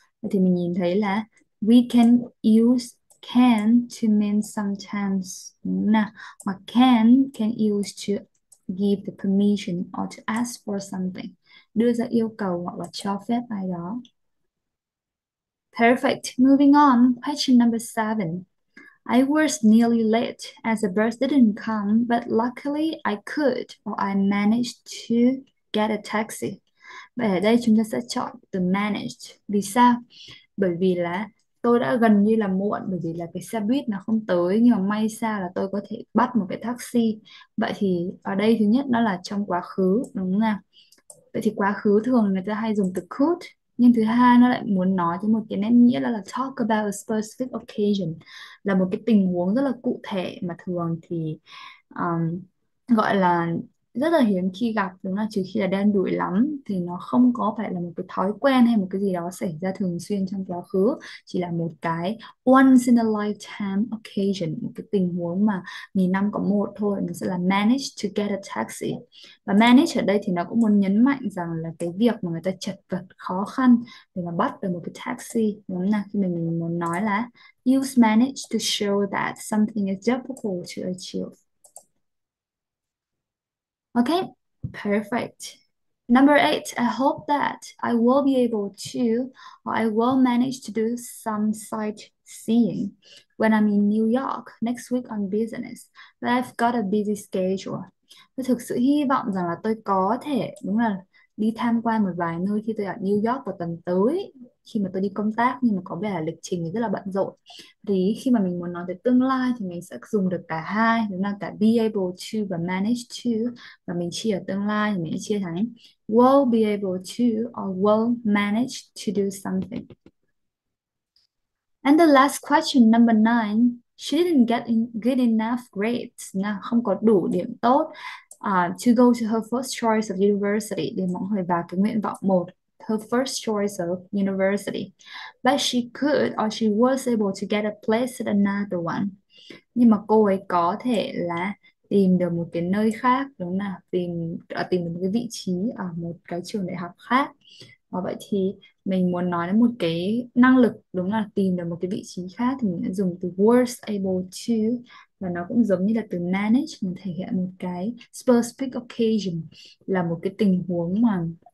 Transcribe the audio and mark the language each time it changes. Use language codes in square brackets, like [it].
[vi] Thì mình nhìn thấy là [en] we can use can to mean sometimes, [vi] đúng nào, mà [en] can use to give the permission or to ask for something, [vi] đưa ra yêu cầu hoặc là cho phép ai đó. [en] Perfect. Moving on. Question number seven. I was nearly late as the bus didn't come, but luckily I could or I managed to get a taxi. [vi] Vậy ở đây chúng ta sẽ chọn từ managed. Vì sao? Bởi vì là tôi đã gần như là muộn bởi vì là cái xe buýt nó không tới, nhưng mà may sao là tôi có thể bắt một cái taxi. Vậy thì ở đây thứ nhất nó là trong quá khứ, đúng không nào? Vậy thì quá khứ thường người ta hay dùng từ could, nhưng thứ hai nó lại muốn nói cho một cái nét nghĩa là [en] talk about a specific occasion, [vi] là một cái tình huống rất là cụ thể mà thường thì gọi là rất là hiếm khi gặp, đúng là trừ khi là đen đủi lắm thì nó không có phải là một cái thói quen hay một cái gì đó xảy ra thường xuyên trong quá khứ, chỉ là một cái [en] once in a lifetime occasion, [vi] một cái tình huống mà nghìn năm có một thôi. Nó sẽ là manage to get a taxi, và manage ở đây thì nó cũng muốn nhấn mạnh rằng là cái việc mà người ta chật vật khó khăn để mà bắt được một cái taxi, đúng là khi mình muốn nói là [en] you manage to show that something is difficult to achieve. Okay, perfect. Number eight, I hope that I will be able to or I will manage to do some sightseeing when I'm in New York next week on business. But I've got a busy schedule. [vi] Tôi thực sự hy vọng rằng là tôi có thể, đúng là đi tham quan một vài nơi khi tôi ở New York vào tuần tới khi mà tôi đi công tác, nhưng mà có vẻ là lịch trình thì rất là bận rộn. Thì khi mà mình muốn nói về tương lai thì mình sẽ dùng được cả hai, đúng là cả be able to và manage to, và mình chia ở tương lai thì mình sẽ chia thành [en] will be able to or will manage to do something. And the last question number nine, she didn't get good enough grades, [vi] nào không có đủ điểm tốt [en] to go to her first choice of university, [vi] để mọi người vào cái nguyện vọng một, [en] her first choice of university. But she could or she was able to get a place at another one. [vi] Nhưng mà cô ấy có thể là tìm được một cái nơi khác, đúng không nào? Tìm được một cái vị trí ở một cái trường đại học khác. Và vậy thì mình muốn nói đến một cái năng lực, đúng là tìm được một cái vị trí khác, thì mình sẽ dùng từ was able to, và nó cũng giống như là từ manage, mình thể hiện một cái specific occasion, là một cái tình huống mà